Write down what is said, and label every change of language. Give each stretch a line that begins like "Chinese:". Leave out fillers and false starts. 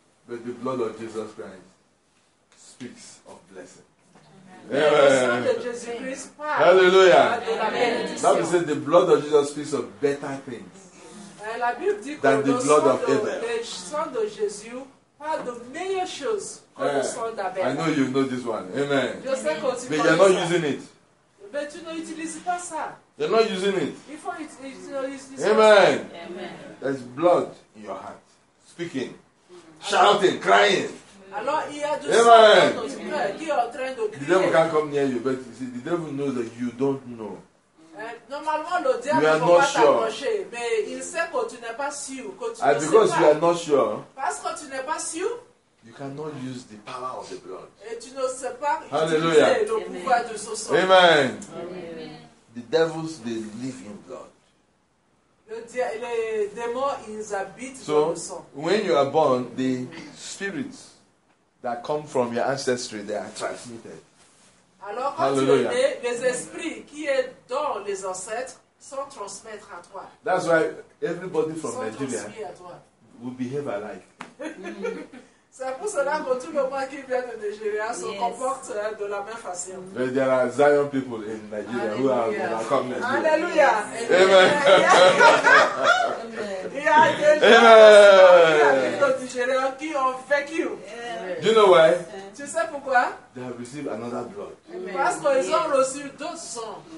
English: But the blood of Jesus Christ speaks of blessing. Amen. Hallelujah. Amen. The Bible says the blood of Jesus speaks of better things.
French: La Bible dit
English: than the blood of Abel.
French: Le sang de Jésus parle de meilleures choses que le sang d'Abel.
English: I know you know this one. Amen.
French: Je sais que tu
English: but you're not using it.
French: Mais tu n'utilises pas ça.
English: You're not using it. Before it Amen. Amen. There's blood in your heart. Speaking. Shouting, crying. Amen. The devil can't come near you, but you see, the devil knows that you don't know.
French: Normalement, le diable ne peut pas t'approcher, mais il sait que tu n'es pas sûr.
English: Because you are not sure.
French: Parce que tu n'es pas sûr.
English: You cannot use the power of the blood.
French: Et tu ne sais pas Hallelujah. Utiliser le Amen. Pouvoir de ce sang. Amen. Amen.
English: The devils, they live in blood.
French: Les démons, ils habitent
English: so,
French: dans le sang.
English: When you are born, the spirits that come from your ancestry, they are transmitted.
French: Alors, hallelujah. Les esprits qui est dans les ancêtres sont transmettre à toi.
English: That's why everybody from Nigeria will behave alike.
French: C'est pour cela que tout le monde qui vient de Nigeria se comporte de la même façon.
English: But there are Zion people in Nigeria who are come Nigeria. Hallelujah. Amen. Do you know why?
French: Tu sais pourquoi?
English: They have received another blood.
French: Parce qu'ils ont reçu d'autres sons.